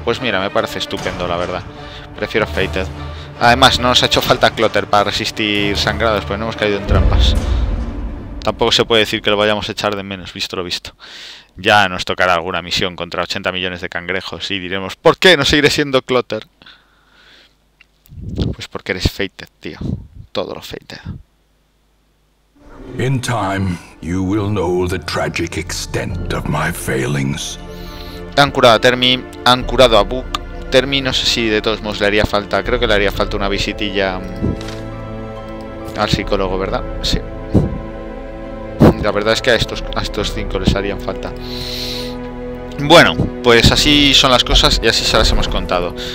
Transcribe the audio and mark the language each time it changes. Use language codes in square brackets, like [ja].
[es] Pues mira, me parece estupendo, la verdad. Prefiero Fated. Además, no nos ha hecho falta Clotter para resistir sangrados, porque no hemos caído en trampas. Tampoco se puede decir que lo vayamos a echar de menos, visto lo visto. Ya nos tocará alguna misión contra 80 millones de cangrejos y diremos, ¿por qué no seguiré siendo Clotter? Pues porque eres Fated, tío. Todo lo Fated. [en] In time, you will know the tragic extent of my failings. [es] Han curado a Termi, han curado a Book. Termi, no sé si de todos modos le haría falta. Creo que le haría falta una visitilla al psicólogo, ¿verdad? Sí. La verdad es que a estos cinco les harían falta. Bueno, pues así son las cosas y así se las hemos contado.